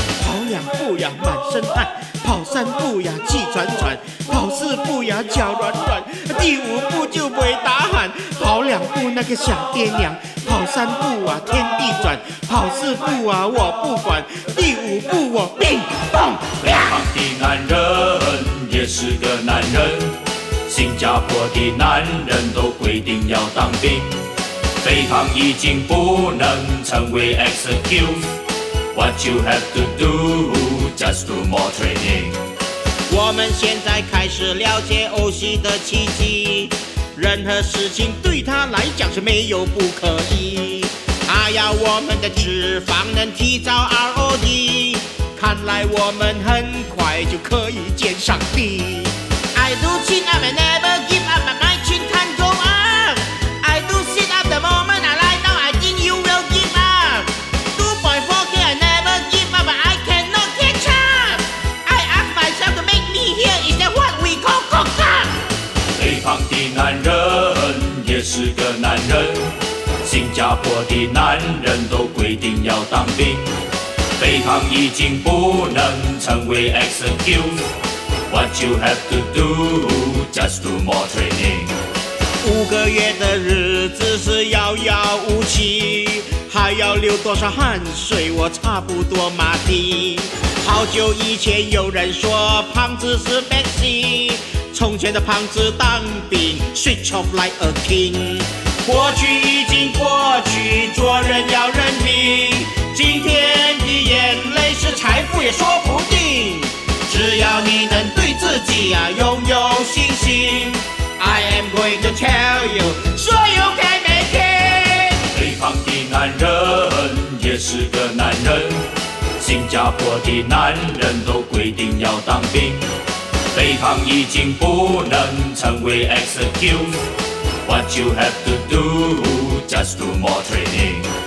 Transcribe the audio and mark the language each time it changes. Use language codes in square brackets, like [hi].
[zh] 跑两步呀满身汗，跑三步呀气喘喘，跑四步呀脚软软，第五步就不会打喊，跑两步那个小爹娘，跑三步啊天地转，跑四步啊我不管，第五步我冰棒。肥胖的男人也是个男人，新加坡的男人都规定要当兵，肥胖已经不能成为 excuse。 [en] What you have to do just do more training。 [zh] 我们现在开始了解 OC 的奇迹，任何事情对他来讲是没有不可以，他要我们的脂肪能提早 ROD， 看来我们很快就可以见上帝。 [en] I do chin up and never give up my chin can go up。 I do sit up the moment I lie down I think you will give up。 2.4K I never give up but I cannot catch up。 I ask myself to make me here is that what we call cock up。 [zh] 肥胖的男人也是个男人，新加坡的男人都规定要当兵，肥胖已经不能成为 excuse。 [en] What you have to do just do more training。 [zh] 五个月的日子是遥遥无期，还要流多少汗水我差不多麻痹。好久以前有人说胖子是 Maxi， 从前的胖子当兵 [en] switch off like a king。 [zh] 过去已经过去，做人要认命，今天的眼泪是财富也说不定。只要你能对自己啊拥有信心， [en] I am going to tell you so you can make it。 [zh] 肥胖的男人也是个男人，新加坡的男人都规定要当兵，肥胖已经不能成为 excuse。 [en] What you have to do just do more training。